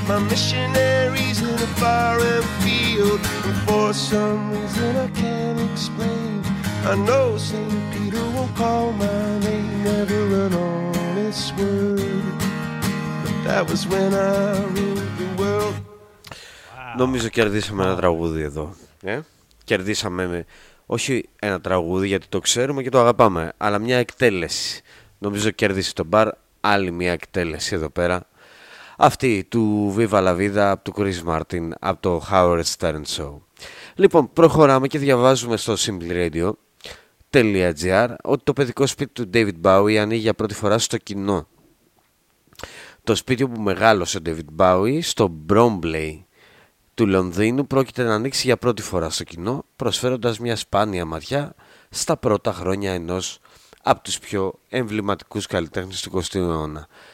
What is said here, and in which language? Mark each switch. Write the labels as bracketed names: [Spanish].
[English] Missionaries in a foreign field, and for some reason I can't explain, I know St. Peter will call my name. Never run on this word, but that was when I ruled the world. [Greek] Νομίζω κερδίσαμε ένα τραγούδι εδώ. Κερδίσαμε όχι ένα τραγούδι, γιατί το ξέρουμε και το αγαπάμε, αλλά μια εκτέλεση. Νομίζω κέρδισε το μπαρ άλλη μια εκτέλεση εδώ πέρα. Αυτή του Viva La Vida, από του Chris Martin, από το Howard Stern Show. Λοιπόν, προχωράμε και διαβάζουμε στο simpleradio.gr ότι το παιδικό σπίτι του David Bowie ανοίγει για πρώτη φορά στο κοινό. Το σπίτι που μεγάλωσε ο David Bowie στο Bromley του Λονδίνου πρόκειται να ανοίξει για πρώτη φορά στο κοινό, προσφέροντας μια σπάνια ματιά στα πρώτα χρόνια ενός από τους πιο εμβληματικούς καλλιτέχνες του 20ου αιώνα.